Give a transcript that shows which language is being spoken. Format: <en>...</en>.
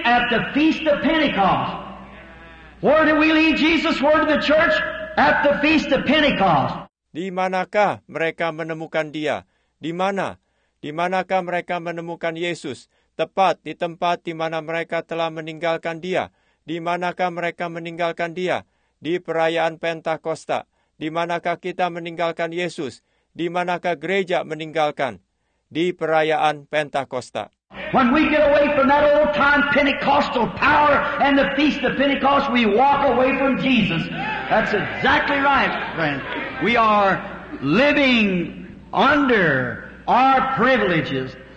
<en>At the feast of Pentecost. Where did we leave Jesus? Where did the church? At the feast of Pentecost.</en> <id>Di manakah mereka menemukan dia? Di mana? Di manakah mereka menemukan Yesus? Tepat di tempat di mana mereka telah meninggalkan dia. Di manakah mereka meninggalkan dia? Di perayaan Pentakosta. Di manakah kita meninggalkan Yesus? Di manakah gereja meninggalkan? Di perayaan Pentakosta.</id> <en>When we get away from that old time Pentecostal power and the feast of Pentecost, we walk away from Jesus. That's exactly right, friend. We are living under our privileges.</en>